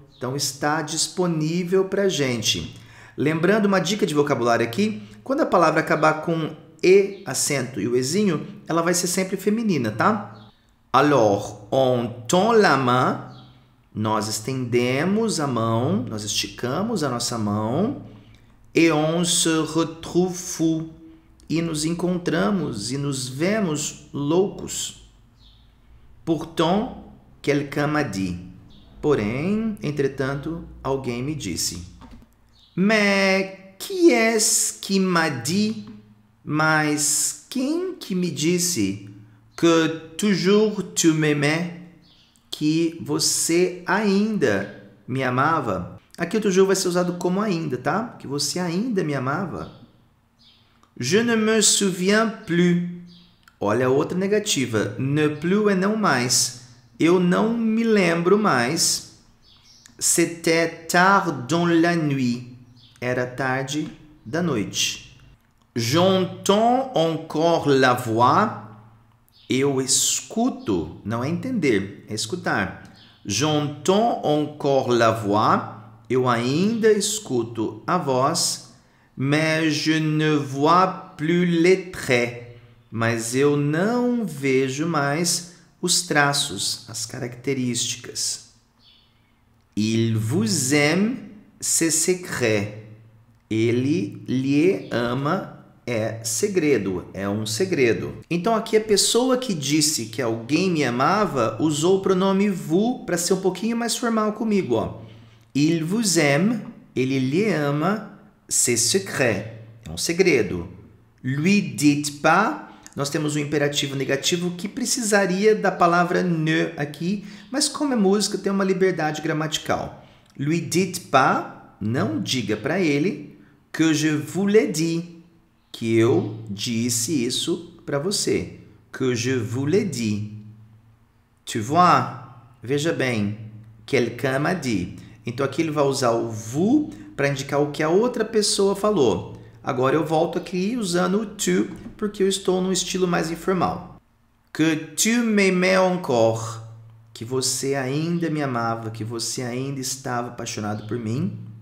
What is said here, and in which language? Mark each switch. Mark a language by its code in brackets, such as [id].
[pt] Então está disponível para gente. Lembrando uma dica de vocabulário aqui, quando a palavra acabar com e acento e o ezinho, ela vai ser sempre feminina, tá? [fr] Alors, on tend la main, [pt] Nós estendemos a mão, nós esticamos a nossa mão, [fr] et on se retrouve fou, [pt] e nos encontramos e nos vemos loucos. [fr] Pourtant, quelqu'un m'a dit. [pt] Porém, entretanto, alguém me disse. [fr] Mais qui est-ce qui m'a dit? [pt] Mas quem que me disse que [fr] toujours tu m'aimais? [pt] Que você ainda me amava? Aqui o toujours vai ser usado como ainda, tá? Que você ainda me amava. [fr] Je ne me souviens plus. [pt] Olha a outra negativa. Ne plus é não mais. Eu não me lembro mais. [fr] C'était tard dans la nuit. [pt] Era tarde da noite. [fr] J'entends encore la voix. [pt] Eu escuto. Não é entender, é escutar. [fr] J'entends encore la voix. [pt] Eu ainda escuto a voz. [fr] Mais je ne vois plus les traits, [pt] mas eu não vejo mais os traços, as características. [fr] Il vous aime, c'est secret. [pt] Ele lhe ama, é segredo, é um segredo. Então aqui a pessoa que disse que alguém me amava usou o pronome vous para ser um pouquinho mais formal comigo, ó. [fr] Il vous aime, [pt] ele lhe ama, [fr] c'est secret, [pt] é um segredo. [fr] Lui dit pas, [pt] nós temos um imperativo negativo que precisaria da palavra ne aqui, mas como é música, tem uma liberdade gramatical. [fr] Lui dit pas, [pt] não diga para ele, [fr] que je vous l'ai dit, [pt] que eu disse isso para você. [fr] Que je vous l'ai dit. Tu vois? [pt] Veja bem, [fr] quelqu'un m'a dit. [pt] Então aqui ele vai usar o vous para indicar o que a outra pessoa falou. Agora eu volto aqui usando o tu, porque eu estou num estilo mais informal. [fr] Que tu m'aimais encore. [pt] Que você ainda me amava, que você ainda estava apaixonado por mim.